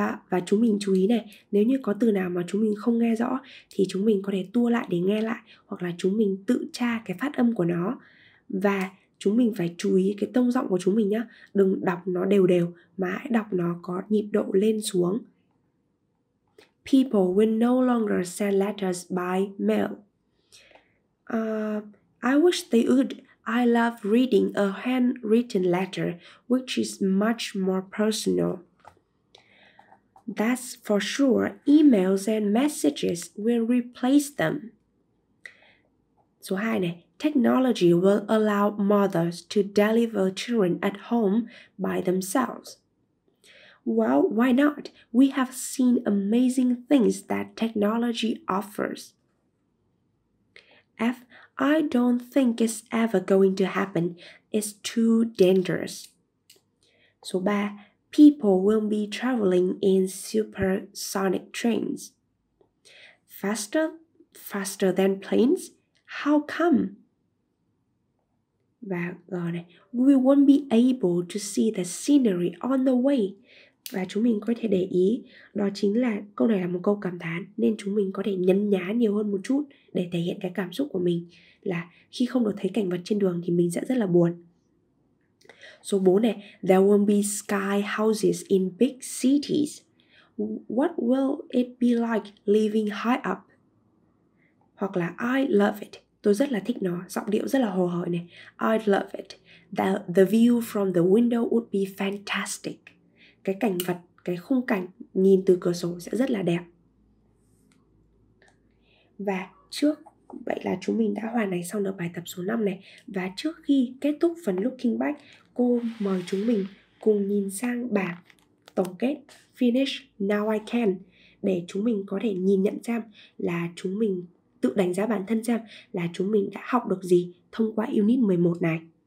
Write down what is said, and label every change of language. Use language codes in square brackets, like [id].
[vi] Và chúng mình chú ý này, nếu như có từ nào mà chúng mình không nghe rõ thì chúng mình có thể tua lại để nghe lại hoặc là chúng mình tự tra cái phát âm của nó. Và chúng mình phải chú ý cái tông giọng của chúng mình nhá. Đừng đọc nó đều đều, mà hãy đọc nó có nhịp độ lên xuống. [en] People will no longer send letters by mail. I wish they would. I love reading a handwritten letter, which is much more personal. That's for sure. Emails and messages will replace them. [vi] Số 2 này. [en] Technology will allow mothers to deliver children at home by themselves. Well, why not? We have seen amazing things that technology offers. F. I don't think it's ever going to happen. It's too dangerous. So bad. People will be traveling in supersonic trains. Faster than planes? How come? [vi] Và rồi này, [en] we won't be able to see the scenery on the way. [vi] Và chúng mình có thể để ý, đó chính là câu này là một câu cảm thán, nên chúng mình có thể nhấn nhá nhiều hơn một chút để thể hiện cái cảm xúc của mình, là khi không được thấy cảnh vật trên đường thì mình sẽ rất là buồn. Số 4 này, [en] there won't be sky houses in big cities. What will it be like living high up? [vi] Hoặc là [en] I love it. [vi] Tôi rất là thích nó, giọng điệu rất là hồ hởi này. [en] I love it. The view from the window would be fantastic. [vi] Cái cảnh vật, cái khung cảnh nhìn từ cửa sổ sẽ rất là đẹp. Và trước, vậy là chúng mình đã hoàn thành xong được bài tập số 5 này. Và trước khi kết thúc phần looking back, cô mời chúng mình cùng nhìn sang bảng tổng kết Finish Now I Can, để chúng mình có thể nhìn nhận xem là chúng mình tự đánh giá bản thân xem là chúng mình đã học được gì thông qua Unit 11 này.